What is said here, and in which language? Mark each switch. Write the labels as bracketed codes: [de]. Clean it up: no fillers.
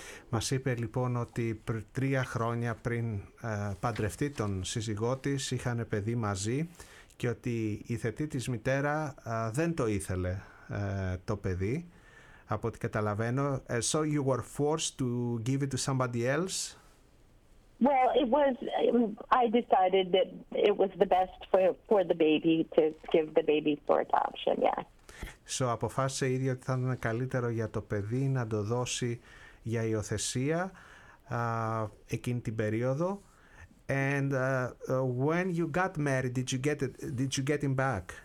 [el] Μας είπε λοιπόν ότι 3 χρόνια πριν παντρευτεί τον σύζυγό της είχαν παιδί μαζί, και ότι η θετή της μητέρα δεν το ήθελε το παιδί, από ό,τι καταλαβαίνω. [en] So you were forced to give it to somebody else? Well, I decided that it was the best for the baby to give the baby for adoption, yeah. [el] So αποφάσισε ήδη ότι θα ήταν καλύτερο για το παιδί να το δώσει για υιοθεσία εκείνη την περίοδο. [en] And when you got married, did you get him back?